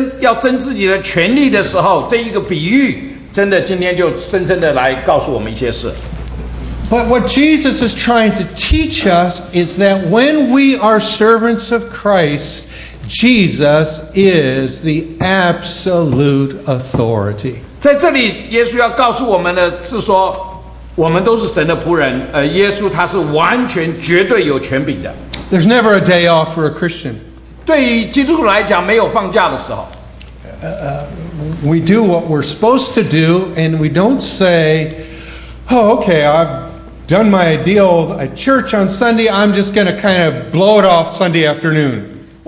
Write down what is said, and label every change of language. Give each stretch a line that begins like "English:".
Chinese: 所以当今天我们在这里所谓争自己的权利的时候，这一个比喻。
English: But what Jesus is trying to teach us is that when we are servants of Christ, Jesus is the absolute authority.
Chinese: 在这里，耶稣要告诉我们的是说，我们都是神的仆人，耶稣他是完全绝对有权柄的。
English: There's never a day off for a Christian.
Chinese: 对于基督徒来讲，没有放假的时候。
English: We do what we're supposed to do, and we don't say, "Oh, okay, I've done my deal at church on Sunday, I'm just going to kind of blow it off Sunday afternoon."